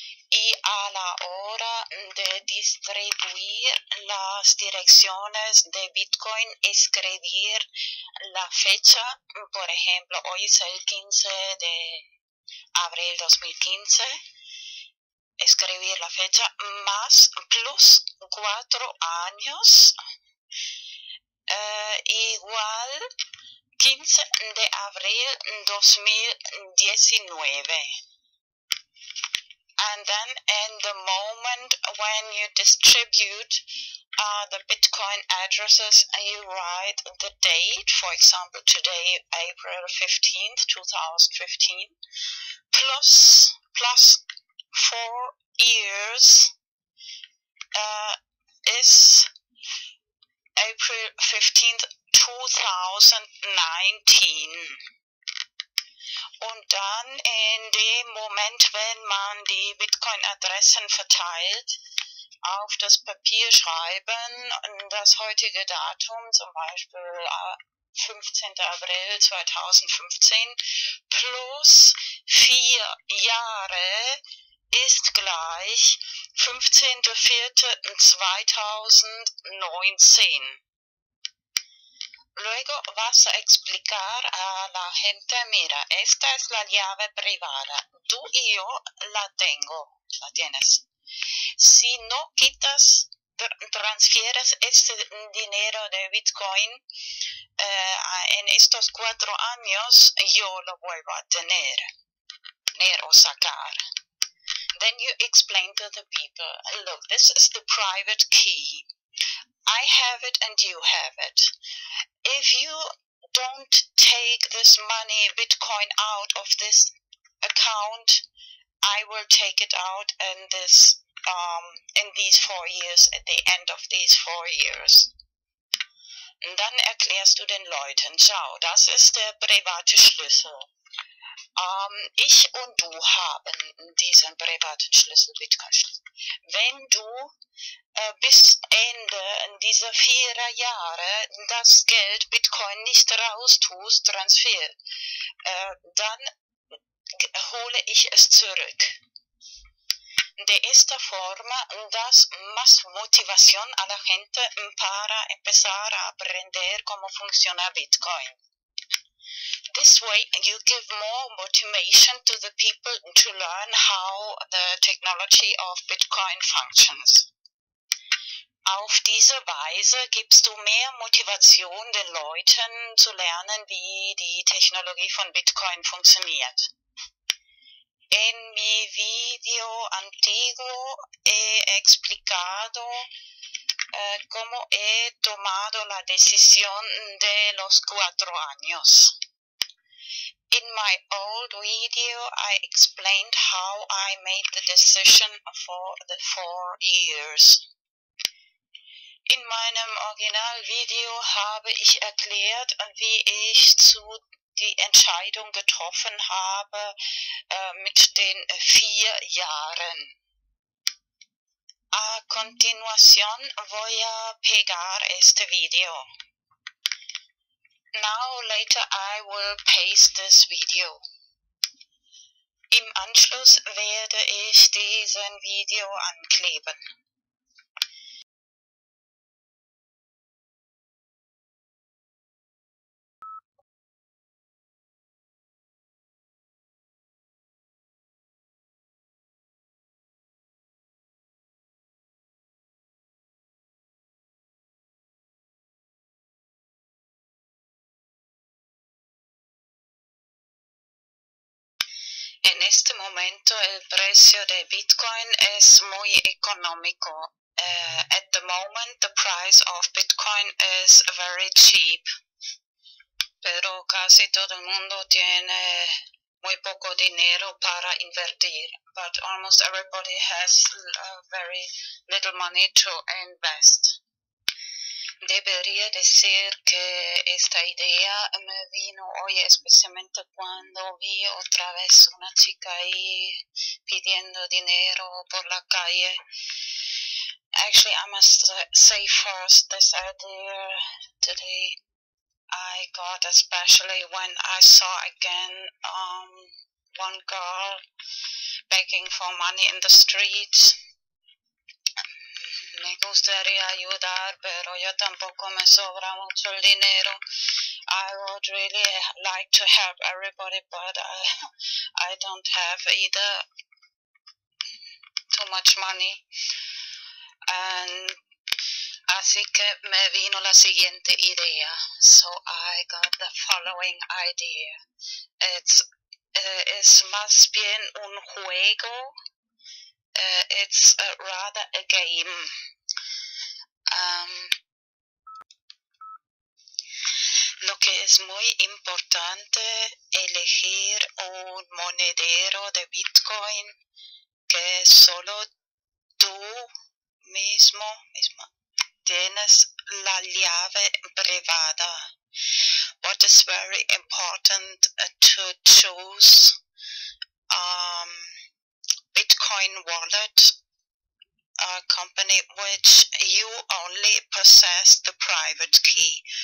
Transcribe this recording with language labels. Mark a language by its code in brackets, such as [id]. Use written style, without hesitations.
[es] Y a la hora de distribuir las direcciones de Bitcoin, escribir la fecha, por ejemplo, hoy es el 15 de abril 2015, escribir la fecha más plus 4 años, igual 15 de abril 2019. [en] And then in the moment when you distribute the Bitcoin addresses, you write the date, for example, today, April 15th, 2015, plus 4 years is April 15th, 2019. [de] Und dann in dem Moment, wenn man die Bitcoin-Adressen verteilt, auf das Papier schreiben, das heutige Datum, zum Beispiel 15. April 2015, plus 4 Jahre ist gleich 15.04.2019. [es] Luego vas a explicar a la gente, mira, esta es la llave privada, tú y yo la tengo, la tienes. Si no quitas, transfieres este dinero de Bitcoin en estos 4 años, yo lo vuelvo a tener o sacar. [en] Then you explain to the people, look, this is the private key. I have it and you have it. If you don't take this money, Bitcoin, out of this account, I will take it out in this in these 4 years, at the end of these 4 years. [de] Und dann erklärst du den Leuten, schau, das ist der private Schlüssel. Ich und du haben diesen privaten Schlüssel, Bitcoin-Schlüssel. Wenn du bis Ende dieser 4 Jahre das Geld Bitcoin nicht raustust, Transfer, dann hole ich es zurück. [es] De esta forma das más motivación a la gente para empezar a aprender cómo funciona Bitcoin. [en] This way you give more motivation to the people to learn how the technology of Bitcoin functions. [de] Auf diese Weise gibst du mehr Motivation den Leuten zu lernen, wie die Technologie von Bitcoin funktioniert. [es] En mi video antiguo he explicado cómo he tomado la decisión de los 4 años. [en] In my old video, I explained how I made the decision for the 4 years. [de] In meinem Originalvideo habe ich erklärt, wie ich zu die Entscheidung getroffen habe mit den 4 Jahren. [es] A continuación voy a pegar este video. [en] Now, later, I will paste this video. [de] Im Anschluss werde ich diesen Video ankleben. [es] En este momento el precio de Bitcoin es muy económico. [en] At the moment the price of Bitcoin is very cheap. [es] Pero casi todo el mundo tiene muy poco dinero para invertir. [en] But almost everybody has very little money to invest. [es] Debería decir que esta idea me vino hoy especialmente cuando vi otra vez una chica ahí pidiendo dinero por la calle. [en] Actually, I must say first this idea today I got especially when I saw again one girl begging for money in the streets. [es] Me gustaría ayudar, pero yo tampoco me sobra mucho el dinero. [en] I would really like to help everybody, but I don't have either too much money. And [es] así que me vino la siguiente idea. [en] So I got the following idea. It's [es] más bien un juego. [en] It's rather a game. [es] Lo que es muy importante elegir un monedero de Bitcoin que solo tú mismo tienes la llave privada. [en] What is very important to choose Bitcoin wallet, a company which you only possess the private key.